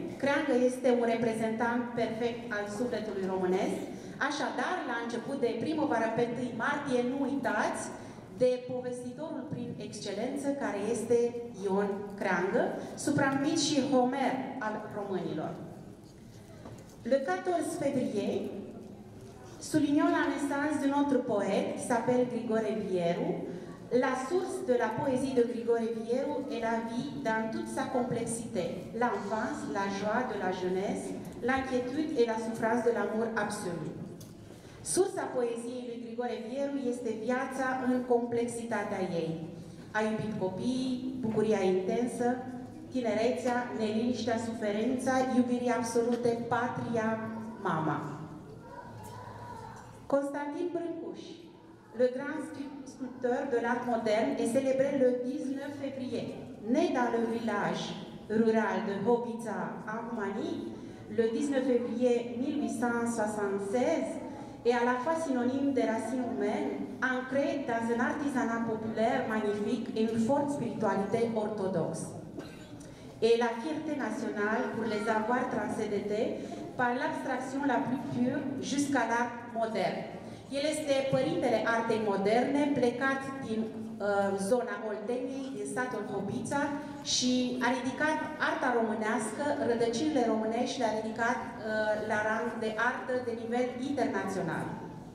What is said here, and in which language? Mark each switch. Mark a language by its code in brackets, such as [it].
[ro] Creangă este un reprezentant perfect al sufletului românesc. Așadar, la început de primăvară, pe 1 martie, nu uitați de povestitorul prin excelență, care este Ion Creangă, supranumit și Homer al românilor. [fr] Le 14 février, souligne la naissance d'un autre poète qui s'appelle Grigore Vieru. La source de la poésie de Grigore Vieru est la vie dans toute sa complexité, l'enfance, la joie de la jeunesse, l'inquiétude et la souffrance de l'amour absolu. [ro] Sursa poeziei lui Grigore Vieru este viața în complexitatea ei. A iubit copiii, bucuria intensă, tinerețea, neliniștea, suferința, iubirii absolute, patria, mama. [fr] Constantin Brâncuș, le grand sculpteur de l'art moderne, est célébré le 19 février. Né dans le village rural de Hobita, en Roumanie, le 19 février 1876, et à la fois synonyme des racines humaines, ancré dans un artisanat populaire magnifique et une forte spiritualité orthodoxe. Et la fierté nationale pour les avoir transcendés par l'abstraction la plus pure jusqu'à l'art moderne. [ro] El este părintele artei moderne, plecat din zona Olteniei, din satul Hobița, și a ridicat arta românească, rădăcinile românești, le-a ridicat la rang de artă de nivel internațional.